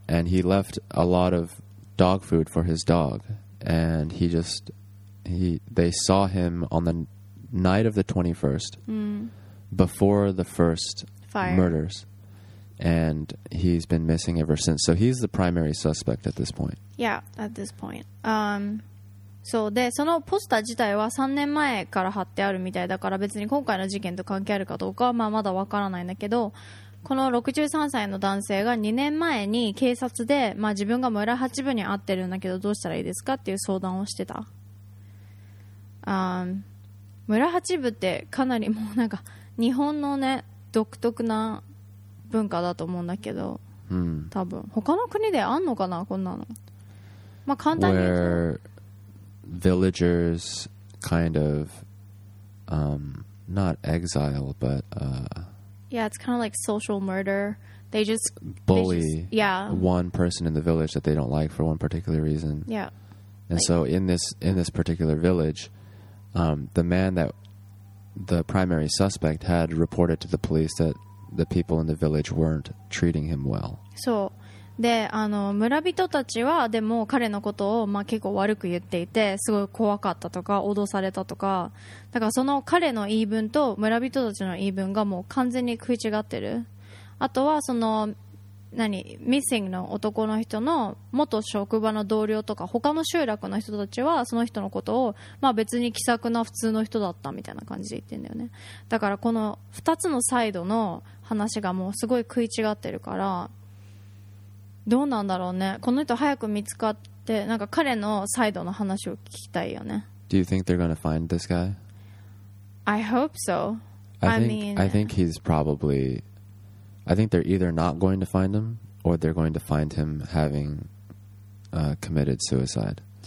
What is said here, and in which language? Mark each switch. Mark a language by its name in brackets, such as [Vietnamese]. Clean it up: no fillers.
[English] And he left a lot of dog food for his dog. And he just, they saw him on the night of the 21st, before the first murders. And he's been missing ever since. So he's the primary suspect at this point. Yeah, at this point. So, [Japanese] で、そのポスター自体は3年前から貼ってあるみたいだから、別に今回の事件と関係あるかどうかは、まあ、まだわからないんだけど、この63歳の男性が2年前に警察で、まあ、自分が村八分に会ってるんだけど、どうしたらいいですかっていう相談をしてた。村八分ってかなりもうなんか、日本のね、独特な文化だと思うんだけど、多分他の国であんのかなこんなの。まあ、簡単に言うと、 [English] where villagers kind of not exile, but yeah, it's kind of like social murder. They just bully, yeah, one person in the village that they don't like for one particular reason. Yeah, and like, so in this particular village, the man that the primary suspect had reported to the police that the people in the village weren't treating him well. [Japanese] そう。で、あの、村人たちはでも彼のことを、まあ、結構悪く言っていて、すごい怖かったとか脅されたとか、だからその彼の言い分と村人たちの言い分がもう完全に食い違ってる。あとはその何ミッシングの男の人の元職場の同僚とか他の集落の人たちはその人のことを、まあ、別に気さくな普通の人だったみたいな感じで言ってんだよね。だからこの2つのサイドの話がもうすごい食い違ってるから、どうなんだろうね、この人早く見つかって、なんか彼のサイドの話を聞きたいよね。 [English] Do you think they're gonna find this guy? I hope so. I think they're either not going to find him, or they're going to find him having committed suicide.